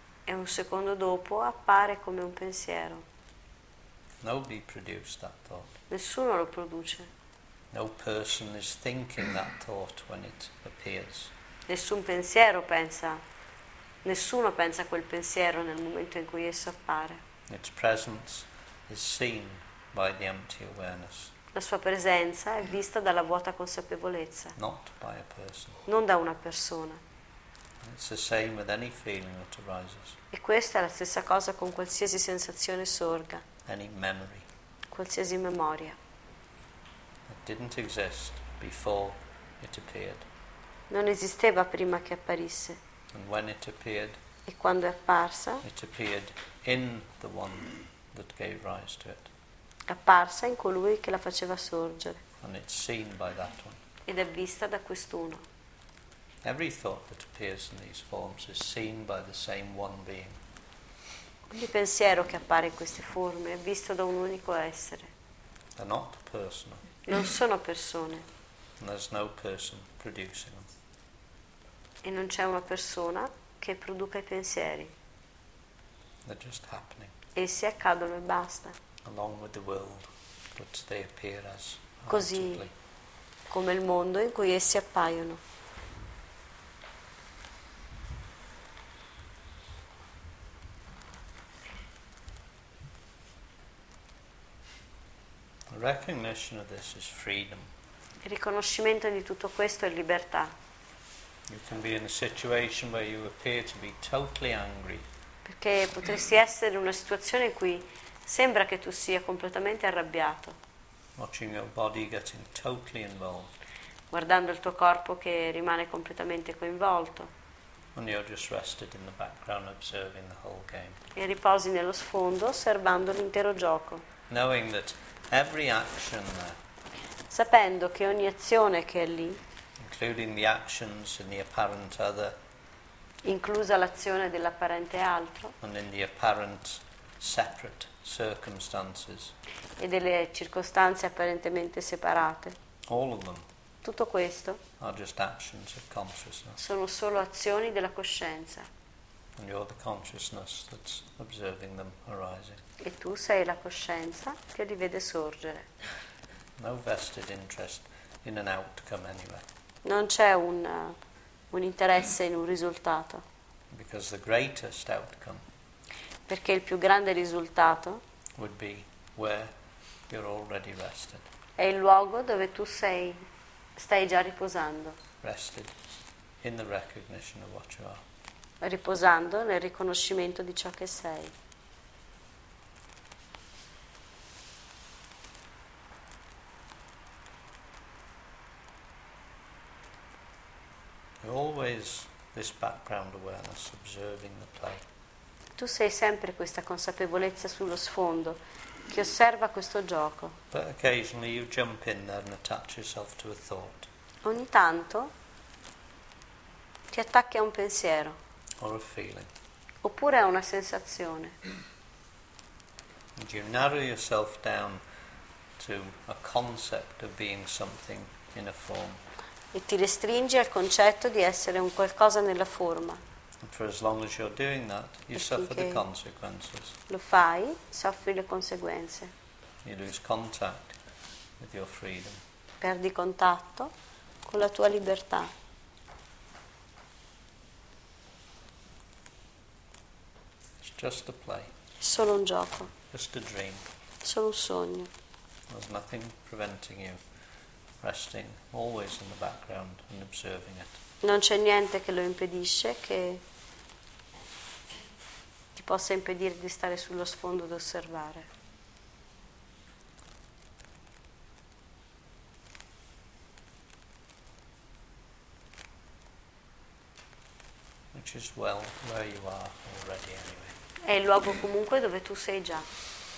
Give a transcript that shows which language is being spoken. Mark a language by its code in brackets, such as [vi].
[it] E un secondo dopo appare come un pensiero. [en] Nobody produced that thought. [it] Nessuno lo produce. [en] No person is thinking that thought when it appears. [it] Nessun pensiero pensa. Nessuno pensa quel pensiero nel momento in cui esso appare. [en] Its presence is seen by the empty awareness. [it] La sua presenza è vista dalla vuota consapevolezza. [en] Not by a person. [it] Non da una persona. [en] It's the same with any feeling that arises. [it] E questa è la stessa cosa con qualsiasi sensazione sorga. [en] Any memory. [it] Qualsiasi memoria. [en] It didn't exist before it appeared. [it] Non esisteva prima che apparisse. [en] And when it appeared, [it] e quando è apparsa, [en] it appeared in the one that gave rise to it. [it] Apparsa in colui che la faceva sorgere. [en] And it's seen by that one. [it] Ed è vista da quest'uno. [en] Every thought that appears in these forms is seen by the same one being. [it] Ogni pensiero che appare in queste forme è visto da un unico essere. [en] They're not personal. [it] Non sono persone. [en] And there's no person producing them. [it] E non c'è una persona che produca i pensieri. [en] They're just happening. [it] Essi accadono e basta. [en] Along with the world, but they appear as [it] così [en] actively. [it] Come il mondo in cui essi appaiono. [en] Recognition of this is freedom. [it] Il riconoscimento di tutto questo è libertà. [en] You can be in a situation where you appear to be totally angry. [it] Perché potresti essere in una situazione in cui sembra che tu sia completamente arrabbiato. [en] Watching your body getting totally involved. [it] Guardando il tuo corpo che rimane completamente coinvolto. [en] And you're just rested in the background observing the whole game. [it] E riposi nello sfondo osservando l'intero gioco. [en] Knowing that every action there, [it] sapendo che ogni azione che è lì, [en] including the actions in the apparent other, [it] inclusa l'azione dell'apparente altro, [en] and in the apparent separate circumstances, [it] e delle circostanze apparentemente separate, [en] all of them, [it] tutto questo, [en] are just actions of consciousness, [it] sono solo azioni della coscienza. [en] And you're the consciousness that's observing them arising. [it] E tu sei la coscienza che li vede sorgere. [en] No vested interest in an outcome anyway. [it] Non c'è un interesse in un risultato. [en] Because the greatest outcome. [it] Perché il più grande risultato. [en] Would be where you're already rested. [it] È il luogo dove tu sei, stai già riposando. [en] Rested in the recognition of what you are. [it] Riposando nel riconoscimento di ciò che sei. [en] Always this background awareness observing the play. [it] Tu sei sempre questa consapevolezza sullo sfondo che osserva questo gioco. [en] But occasionally you jump in there and attach yourself to a thought. [it] Ogni tanto ti attacchi a un pensiero. [en] or a feeling. [it] Oppure è una sensazione. [en] And you narrow yourself down to a concept of being something in a form. [it] E ti restringi al concetto di essere un qualcosa nella forma. [en] And for as long as you're doing that, you suffer the consequences. [it] Lo fai, soffri le conseguenze. [en] You lose contact with your freedom. [it] Perdi contatto con la tua libertà. [en] It's just a play. [it] Solo un gioco. [en] Just a dream. [it] Solo un sogno. [en] There's nothing preventing you resting always in the background and observing it. [it] Non c'è niente che lo impedisce, che ti possa impedire di stare sullo sfondo ad osservare. [en] Which is well where you are already anyway. [it] È il luogo comunque dove tu sei già.